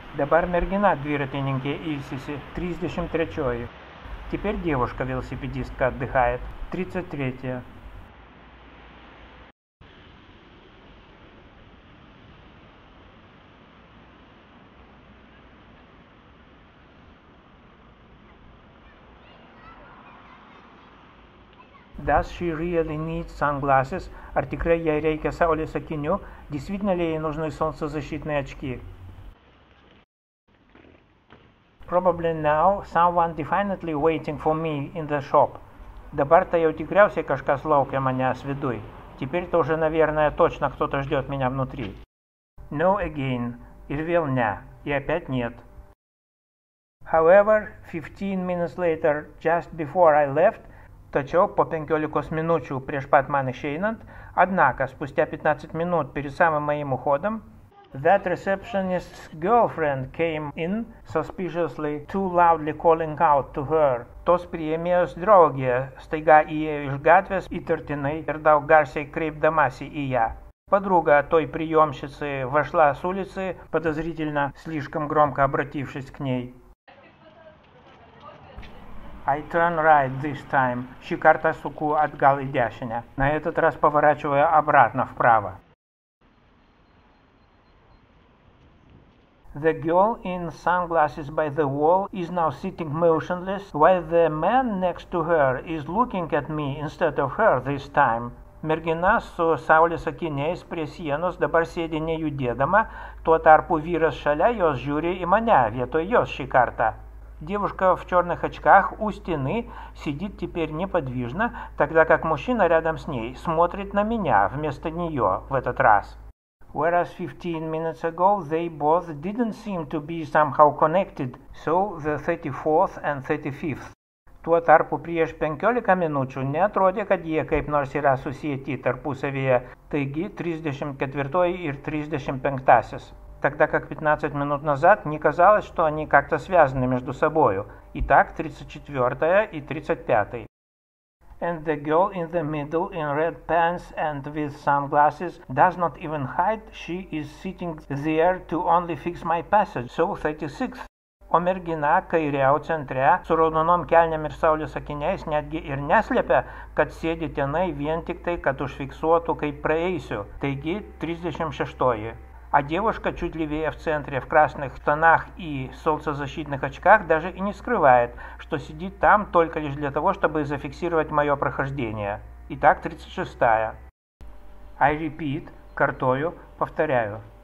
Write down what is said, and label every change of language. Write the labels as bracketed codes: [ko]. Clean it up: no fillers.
[lt] Dabar mergina dviratininkė ilsisi, 33-oji. [ru] Теперь девушка велосипедистка отдыхает, 33-я. [en] Does she really need sunglasses? [lt] Ar tikrai jai reikia saulės akinių? [ru] Действительно ли ей нужны солнцезащитные очки? [en] Probably now someone definitely waiting for me in the shop. [lt] Dabar-то jau tikriausiai kažkas laukia manęs viduj. [ru] Теперь-то уже, наверное, точно кто-то ждет меня внутри. [en] No again. [lt] Ir vėl ne. [ru] И опять нет. [en] However, 15 minutes later, just before I left, [lt] Tačiau po 15 minučių prieš pat man išeinant, [ru] однако спустя 15 минут перед самым моим уходом, [en] that receptionist's girlfriend came in suspiciously, too loudly calling out to her. [lt] Tos priėmėjos draugė staiga įėjo iš gatvės įtartinai ir daug garsiai kreipdamasi į ją. [ru] Подруга той приемщицы вошла с улицы, подозрительно слишком громко обратившись к ней. [en] I turn right this time. [lt] Ši kartą suku atgal į dešinę. [ru] На этот раз поворачиваю обратно вправо. [en] The girl in sunglasses by the wall is now sitting motionless, while the man next to her is looking at me instead of her this time. [lt] Mergina su saulės akiniais prie sienos dabar sėdi nejudėdama, tuo tarpu vyras šalia jos žiūri į mane vietoj jos ši kartą. [ru] Девушка в черных очках у стены сидит теперь неподвижно, тогда как мужчина рядом с ней смотрит на меня вместо нее в этот раз. [en] Whereas 15 minutes ago they both didn't seem to be somehow connected, so the 34th and 35th. [lt] Tuo tarpu prieš 15 minučių neatrodė, kad jie kaip nors yra susieti tarpusavyje, taigi 34 ir 35-asis. [ru] Тогда как 15 минут назад не казалось, что они как-то связаны между собою. Итак, 34-я и 35-й. [en] And the girl in the middle in red pants and with sunglasses does not even hide. She is sitting there to only fix my passage. So 36th. [lt] O mergina kairiau centre su raudonom kelniam ir saulės akiniais netgi ir neslėpia, kad sėdi tenai vien tik tai, kad užfiksuotų, kaip praeisiu. Taigi 36-oji. [ru] А девушка чуть левее в центре, в красных тонах и солнцезащитных очках, даже и не скрывает, что сидит там только лишь для того, чтобы зафиксировать мое прохождение. Итак, 36-я. [en] I repeat, [ru] картою, повторяю.